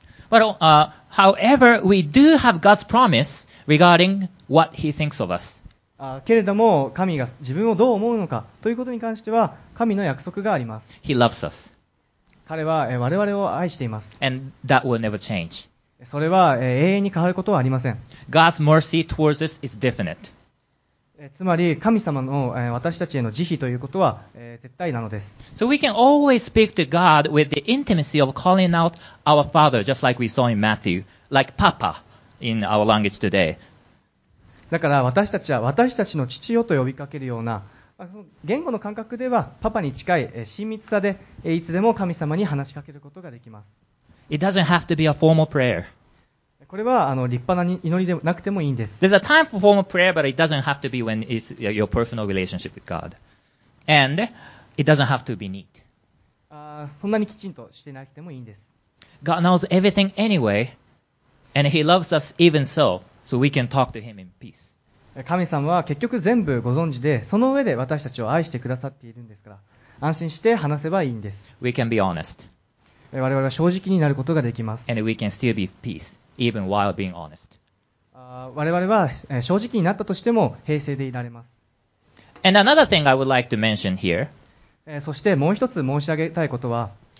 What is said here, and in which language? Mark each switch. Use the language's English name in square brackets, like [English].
[English] But, however, we do have God's promise regarding what He thinks of us. [Japanese] けれども、神が自分をどう思うのかということに関しては、神の約束があります。 [English] He loves us. [Japanese] 彼は我々を愛しています。 [English] And that will never change. [Japanese] それは永遠に変わることはありません。 [English] God's mercy towards us is definite. [Japanese] つまり神様の私たちへの慈悲ということは絶対なのです。 [English] So we can always speak to God with the intimacy of calling out our Father, just like we saw in Matthew, like Papa in our language today. [Japanese] だから私たちは私たちの父よと呼びかけるような、言語の感覚ではパパに近い親密さでいつでも神様に話しかけることができます。 [English] It doesn't have to be a formal prayer. [Japanese] これはあの立派な祈りでなくてもいいんです。 [English] There's a time for formal prayer, but it doesn't have to be when it's your personal relationship with God. And it doesn't have to be neat. [Japanese] そんなにきちんとしてなくてもいいんです。 [English] God knows everything anyway, and He loves us even so, so we can talk to Him in peace. [Japanese] 神様は結局全部ご存知で、その上で私たちを愛してくださっているんですから、安心して話せばいいんです。 [English] We can be honest. [Japanese] 我々は正直になることができます。 [English] And we can still be peace. Even while being honest. [Japanese] 我々は正直になったとしても平静でいられます。 [English] And another thing I would like to mention here. [Japanese] そしてもう一つ申し上げたいことは、